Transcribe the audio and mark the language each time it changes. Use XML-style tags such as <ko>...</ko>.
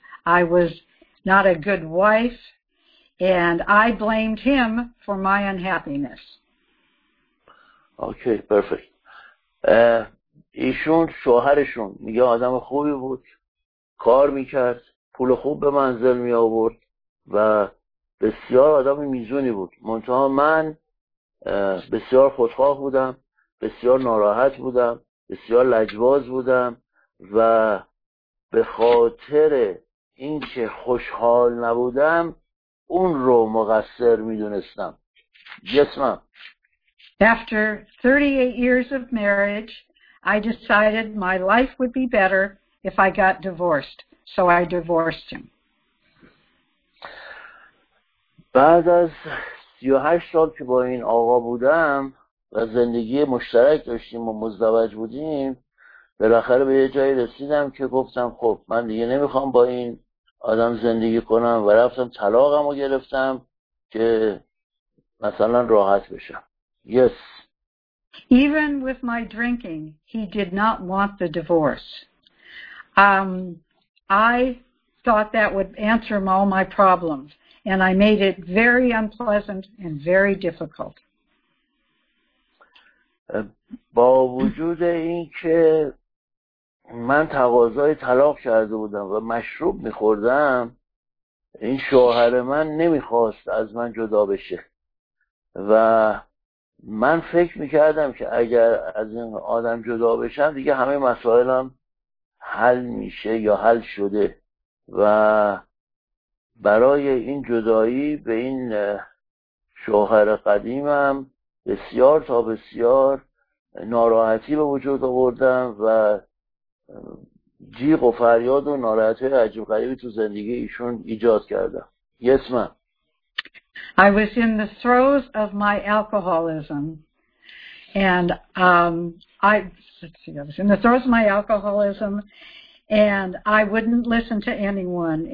<en>I was not a good wife, and I blamed him for my unhappiness. Okay, perfect.</en> <fa>ایشون شوهرشون میگه آدم خوبی بود، کار میکرد، پول خوب به منزل می آورد و بسیار آدم میزونی بود، منتها من بسیار خودخواه بودم، بسیار ناراحت بودم، بسیار لجباز بودم و به خاطر اینکه خوشحال نبودم اون رو مقصر میدونستم.</fa> <en>Yes, ma'am. After 38 years of marriage, I decided my life would be better if I got divorced, so I divorced him.</en> <fa>بعد از 38 سال که با این آقا بودم و زندگی مشترک داشتیم و مزدوج بودیم، بالاخره به یه جایی رسیدم که گفتم خب من دیگه نمیخوام با این آدم زندگی کنم و رفتم طلاقمو گرفتم که مثلا راحت بشم.</fa> <en>Yes. Even with my drinking, he did not want the divorce. I thought that would answer all my problems, and I made it very unpleasant and very difficult.</en> <fa>با وجود اینکه من تقاضای طلاق کرده بودم و مشروب می‌خوردم، این شوهر من نمی‌خواست از من جدا بشه و من فکر میکردم که اگر از این آدم جدا بشم دیگه همه مسائلم حل میشه یا حل شده، و برای این جدایی به این شوهر قدیمم بسیار تا بسیار ناراحتی به وجود آوردم و جیغ و فریاد و ناراحتی عجیب غریبی تو زندگی ایشون ایجاد کردم.</fa> <en>Yes, ma'am. I was in the throes of my alcoholism. And I was in the throes of my alcoholism, and I wouldn't listen to anyone.</en>